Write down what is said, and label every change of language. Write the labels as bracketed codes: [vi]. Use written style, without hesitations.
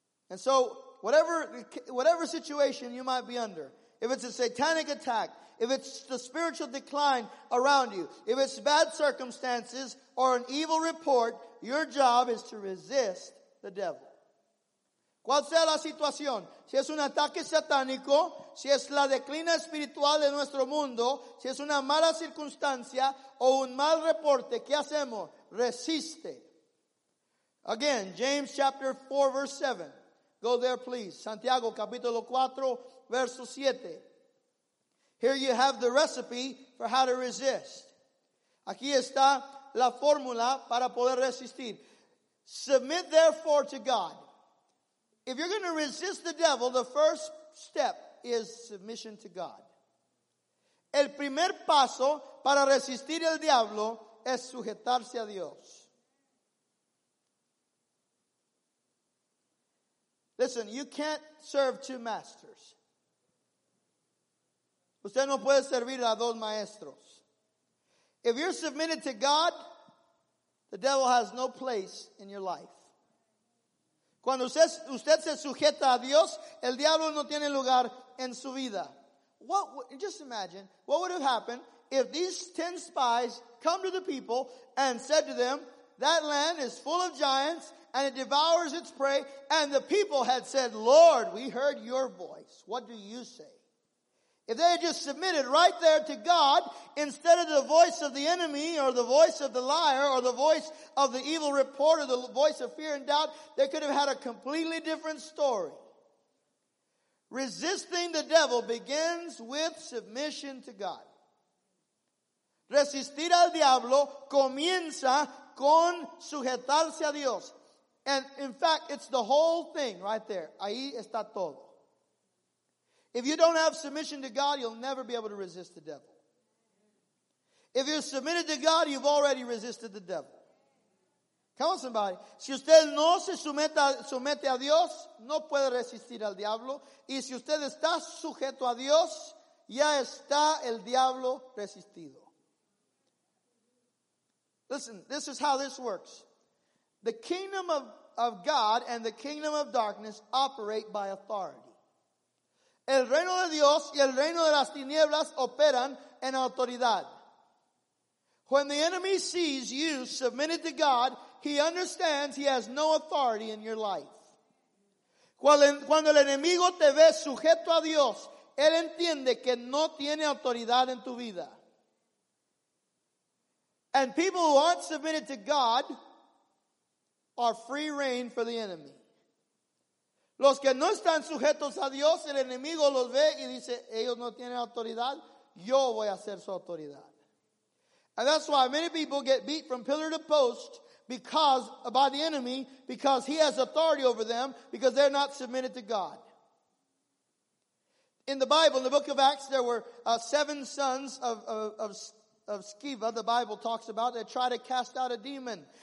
[en] And so whatever situation you might be under, if it's a satanic attack, if it's the spiritual decline around you, if it's bad circumstances or an evil report, your job is to resist the devil. [es] ¿Cuál sea la situación? Si es un ataque satánico, si es la declina espiritual de nuestro mundo, si es una mala circunstancia o un mal reporte, ¿qué hacemos? [en] Resiste. Again, James chapter 4, verse 7. Go there, please. [es] Santiago capítulo 4, verso 7. [en] Here you have the recipe for how to resist. [es] Aquí está la fórmula para poder resistir. [en] Submit therefore to God. If you're going to resist the devil, the first step is submission to God. [es] El primer paso para resistir el diablo es sujetarse a Dios. [en] Listen, you can't serve two masters. [es] Usted no puede servir a dos maestros. [en] If you're submitted to God, the devil has no place in your life. [es] Cuando usted se sujeta a Dios, el diablo no tiene lugar en su vida. [en] Just imagine, what would have happened if these 10 spies come to the people and said to them, that land is full of giants and it devours its prey, and the people had said, Lord, we heard your voice. What do you say? If they had just submitted right there to God instead of the voice of the enemy or the voice of the liar or the voice of the evil report or the voice of fear and doubt, they could have had a completely different story. Resisting the devil begins with submission to God. [es] Resistir al diablo comienza con sujetarse a Dios. [en] And in fact, it's the whole thing right there. [es] Ahí está todo. [en] If you don't have submission to God, you'll never be able to resist the devil. If you're submitted to God, you've already resisted the devil. Come on, somebody. [es] Si usted no se somete a Dios, no puede resistir al diablo. Y si usted está sujeto a Dios, ya está el diablo resistido. [en] Listen, this is how this works. The kingdom of God and the kingdom of darkness operate by authority. [es] El reino de Dios y el reino de las tinieblas operan en autoridad. [en] When the enemy sees you submitted to God, he understands he has no authority in your life. [es] Cuando el enemigo te ve sujeto a Dios, él entiende que no tiene autoridad en tu vida. [en] And people who aren't submitted to God are free reign for the enemy. [es] Los que no están sujetos a Dios, el enemigo los ve y dice, ellos no tienen autoridad, yo voy a ser su autoridad. [en] And that's why many people get beat from pillar to post because by the enemy, because he has authority over them, because they're not submitted to God. In the Bible, in the book of Acts, there were seven sons of Sceva, the Bible talks about, that tried to cast out a demon.